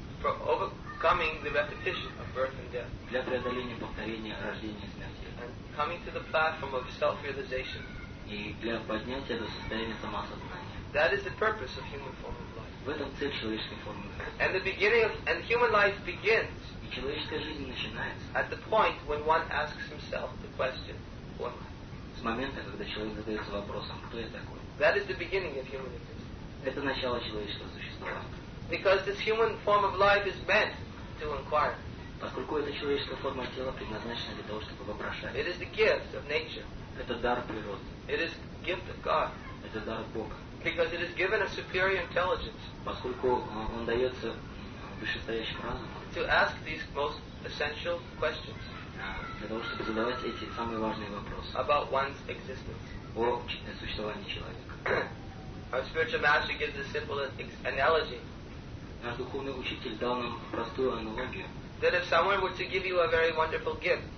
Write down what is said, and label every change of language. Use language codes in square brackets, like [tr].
[en] for overcoming the repetition of birth and death, [ru] для преодоления повторения рождения и смерти, [en] and coming to the platform of self-realization, [ru] и для поднятия до состояния самосознания. [en] That is the purpose of human form of life. [ru] В этом цель человеческой формы жизни. [en] And the beginning of and human life begins, [ru] и человеческая жизнь начинается, [en] at the point when one asks himself the question, who am I? [ru] С момента, когда человек задается вопросом, кто я такой? [en] That is the beginning of human existence. [ru] Это начало человеческого существования. [en] Because this human form of life is meant to inquire. [ru] Поскольку эта человеческая форма тела предназначена для того, чтобы вопрошать. [en] It is the gift of nature. [ru] Это дар природы. [en] It is gift of God. [ru] Это дар Бога. [en] Because it is given a superior intelligence. [ru] Поскольку он дается вышестоящим разумом. [en] To ask these most essential questions. [ru] Для того, чтобы задавать эти самые важные вопросы. [en] About one's existence. [ru] О существовании человека. [en] Our spiritual master gives a simple analogy. [ru] Наш духовный учитель дал нам простую аналогию. [en] That if someone were to give you a very wonderful gift,